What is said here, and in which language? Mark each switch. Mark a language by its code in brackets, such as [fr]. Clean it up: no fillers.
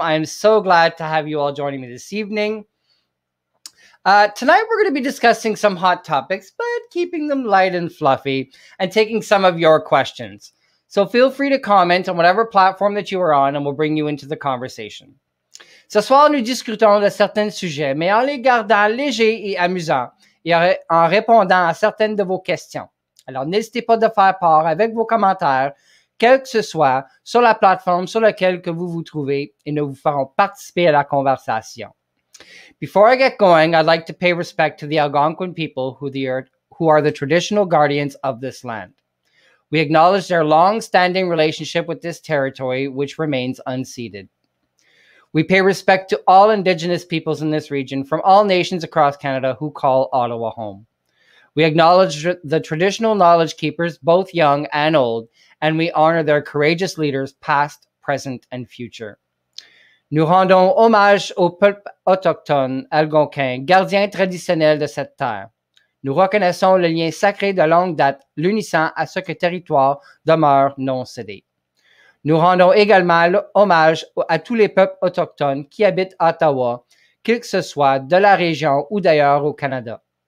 [en] I am so glad to have you all joining me this evening. Tonight, we're going to be discussing some hot topics, but keeping them light and fluffy and taking some of your questions. So feel free to comment on whatever platform that you are on and we'll bring you into the conversation. [fr] Ce soir, nous discutons de certains sujets, mais en les gardant légers et amusants et en répondant à certaines de vos questions. Alors, n'hésitez pas de faire part avec vos commentaires, quel que ce soit, sur la plateforme sur laquelle que vous vous trouvez et nous vous ferons participer à la conversation. [en] Before I get going, I'd like to pay respect to the Algonquin people who are the traditional guardians of this land. We acknowledge their long-standing relationship with this territory, which remains unceded. We pay respect to all Indigenous peoples in this region from all nations across Canada who call Ottawa home. We acknowledge the traditional knowledge keepers, both young and old, and we honor their courageous leaders, past, present, and future. [fr] Nous rendons hommage au peuple autochtone algonquin, gardien traditionnel de cette terre. Nous reconnaissons le lien sacré de longue date l'unissant à ce que territoire demeure non cédé. Nous rendons également hommage à tous les peuples autochtones qui habitent Ottawa, quel que ce soit de la région ou d'ailleurs au Canada.